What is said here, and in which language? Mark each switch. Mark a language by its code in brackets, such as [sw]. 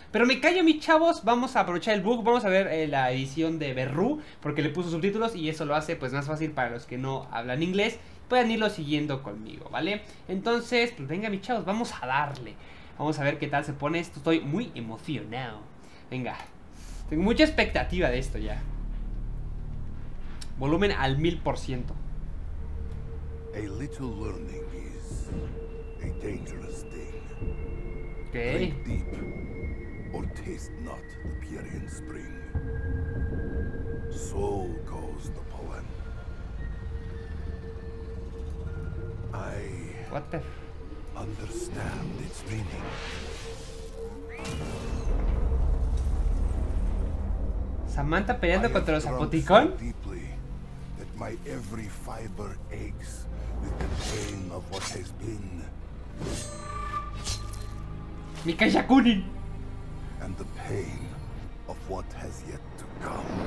[es] Pero me callo, mis chavos, vamos a aprovechar el bug, vamos a ver la edición de Berru, porque le puso subtítulos y eso lo hace pues más fácil para los que no hablan inglés. Pueden irlo siguiendo conmigo, ¿vale? Entonces, pues venga, mis chavos, vamos a darle. Vamos a ver qué tal se pone esto. Estoy muy emocionado. Venga. Tengo mucha expectativa de esto ya. Volumen al 1000%. [en] A little learning is a dangerous thing. [es] ¿Qué? [en] Drink deep or taste not the Pierian spring. So goes the poem. I what the understand its meaning. [es] Samantha peleando contra los Zapoticón. [en] So deeply that my every fiber aches with the pain of what has been. Mika Yakunin. And the pain of what has yet to come.